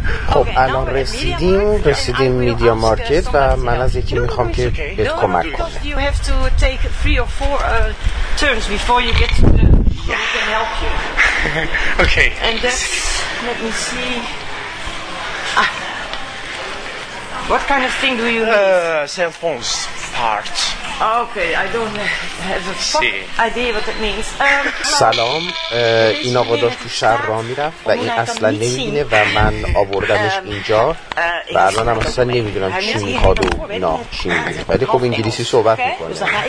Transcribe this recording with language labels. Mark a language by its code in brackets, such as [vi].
[fa] خب الان رسیدیم میدیا مارکت و من از یکی میخوام که بهت کمک کنه. [en] Because you have to take 3 or 4 turns before you get to the yeah. So we can help you. Okay. And that's, let me see. What kind of thing do you need? Cell phones part. Okay, I don't have a fucking idea what that means. [fa] سلام، این آقا داشت تو شهر راه میرفت و این اصلا نمیبینه و من آوردمش اینجا و الان هم اصلا نمیدونم چی میخواد و اینا چی میبینه. ولی خب انگلیسی صحبت میکنه.